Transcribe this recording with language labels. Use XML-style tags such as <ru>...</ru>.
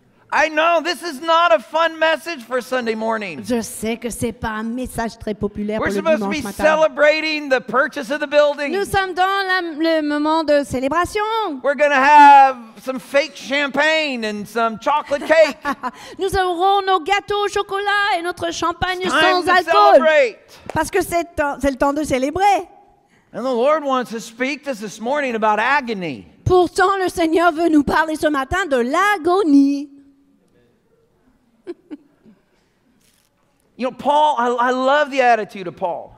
<en>I know this is not a fun message for Sunday morning.</en> <fr>Je sais que c'est pas un message très populaire</fr> <en>We're</en> <fr>pour le dimanche matin.</fr> <en>We're supposed to be celebrating the purchase of the building.</en> <fr>Nous sommes dans le moment de célébration.</fr> <en>We're going to have some fake champagne and some chocolate cake.</en> <fr>Nous aurons nos gâteaux au chocolat et notre champagne</fr> <en>it's</en> <fr>sans</fr> <en>time</en> <fr>alcool.</fr> <en>To celebrate.</en> <fr>Parce que c'est le temps de célébrer.</fr> <en>And the Lord wants to speak to us this morning about agony.</en> <fr>Pourtant le Seigneur veut nous parler ce matin de l'agonie.</fr> <en>You know, Paul, I love the attitude of Paul.</en>